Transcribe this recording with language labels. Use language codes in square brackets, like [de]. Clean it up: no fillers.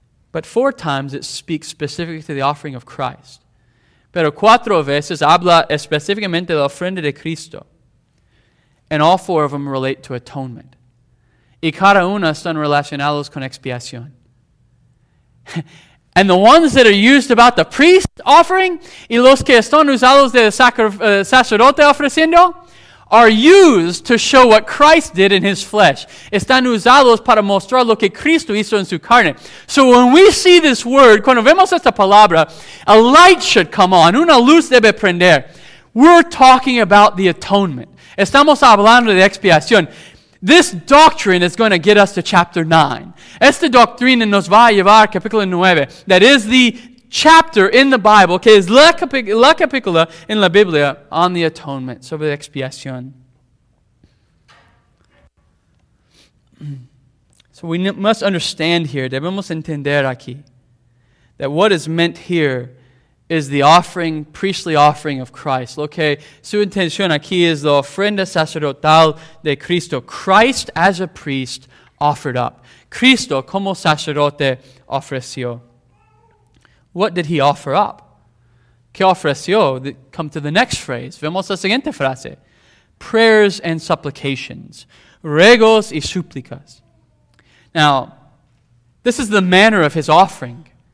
[en] But 4 times it speaks specifically to the offering of Christ. [es] Pero 4 veces habla específicamente de la ofrenda de Cristo. [en] And all 4 of them relate to atonement. [es] Y cada una están relacionados con expiación. [en] And the ones that are used about the priest offering, [es] y los que están usados de sacerdote ofreciendo, [en] are used to show what Christ did in his flesh. [es] Están usados para mostrar lo que Cristo hizo en su carne. [en] So when we see this word, [es] cuando vemos esta palabra, [en] a light should come on, [es] una luz debe prender. [en] We're talking about the atonement. [es] Estamos hablando de expiación. [en] This doctrine is going to get us to chapter 9. [es] Esta doctrina nos va a llevar a capítulo 9. [en] That is the chapter in the Bible, [es] que es la capítula en la Biblia [en] on the atonement, [es] sobre la expiación. [en] So we must understand here, [es] debemos entender aquí, [en] that what is meant here is the offering, priestly offering of Christ. [es] Lo que su intención aquí es la ofrenda sacerdotal de Cristo. [en] Christ as a priest offered up. [es] Cristo como sacerdote ofreció. [en] What did he offer up? [es] ¿Qué ofreció? [en] Come to the next phrase. [es] Vemos la siguiente frase. [en] Prayers and supplications. [es] Ruegos y súplicas. [en] Now, this is the manner of his offering.